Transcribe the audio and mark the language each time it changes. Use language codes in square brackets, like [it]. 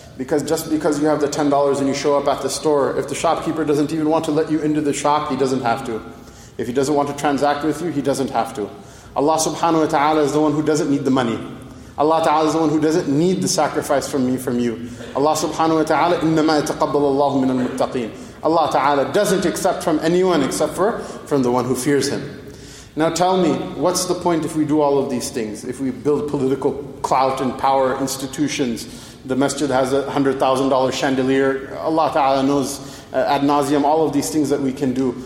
[en] Because just because you have the $10 and you show up at the store, if the shopkeeper doesn't even want to let you into the shop, he doesn't have to. If he doesn't want to transact with you, he doesn't have to. Allah subhanahu wa ta'ala is the one who doesn't need the money. Allah ta'ala is the one who doesn't need the sacrifice from me, from you. [ar] Allah subhanahu wa ta'ala, إِنَّمَا يَتَقَبَّلَ اللَّهُ مِنَ الْمُتَّقِينَ. [en] Allah ta'ala doesn't accept from anyone except for from the one who fears Him. Now tell me, what's the point if we do all of these things? If we build political clout and power, institutions, the masjid has a $100,000 chandelier, Allah Ta'ala knows ad nauseum all of these things that we can do.